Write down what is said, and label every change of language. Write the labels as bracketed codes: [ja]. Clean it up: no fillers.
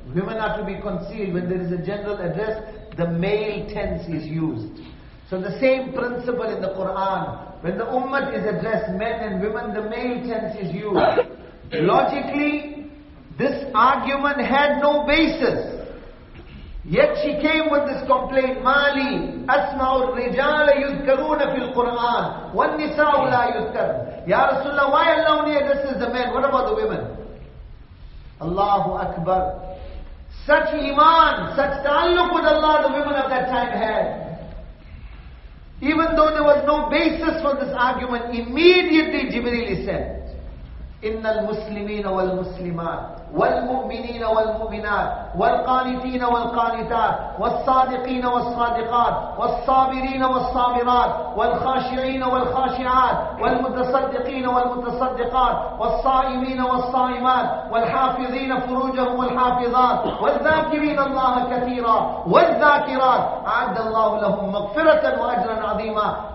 [en] Women are to be concealed. When there is a general address, the male tense is used. So the same principle in the Qur'an. When the ummah is addressed, men and women, the male tense is used. Logically, this argument had no basis. Yet she came with this complaint, Mali, [ar] أَسْمَعُ الرِّجَالَ يُذْكَرُونَ فِي الْقُرْآنِ وَالنِّسَاءُ لَا يُذْكَرُ. [en] Ya Rasulullah, why Allah only addresses the men? What about the women? Allahu Akbar. Such iman, such ta'alluq with Allah the women of that time had. Even though there was no basis for this argument, immediately Jibreel said, [ar] إِنَّ الْمُسْلِمِينَ وَالْمُسْلِمَاتِ وَالْمُؤْمِنِينَ وَالْمُؤْمِنَاتِ وَالْقَانِتِينَ وَالْقَانِتَاتِ وَالصَّادِقِينَ وَالصَّادِقَاتِ وَالصَّابِرِينَ وَالصَّابِرَاتِ وَالْخَاشِعِينَ وَالْخَاشِعَاتِ وَالْمُتَصَدِّقِينَ وَالْمُتَصَدِّقَاتِ وَالصَّائِمِينَ وَالصَّائِمَاتِ وَالْحَافِظِينَ فُرُوجَهُمْ وَالْحَافِظَاتِ وَالذَّاكِرِينَ اللَّهَ كَثِيرًا وَالذَّاكِرَاتِ أَعَدَّ اللَّهُ لَهُم مَّغْفِرَةً وَأَجْرًا عَظِيمًا.